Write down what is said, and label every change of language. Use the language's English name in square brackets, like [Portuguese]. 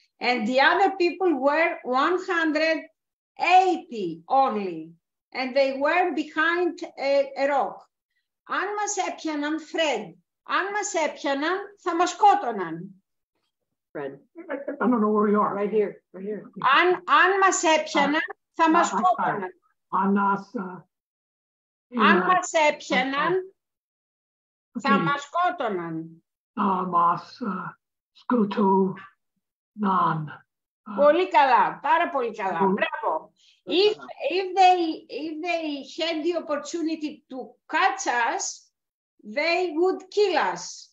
[English] And the other people were 180 only. And they were behind a rock. [Greek] Αν μας έπιαναν, Fred, αν μας έπιαναν, θα μας σκότωναν. [English] Fred, I don't know where you are. Right here. [Greek] Αν μας έπιαναν, θα μας σκότωναν. Αν μας έπιαναν, θα μας σκότωναν. Θα μας σκότωναν. Πολύ καλά, πάρα πολύ καλά. Μπράβο. [English] If they had the opportunity to catch us, they would kill us.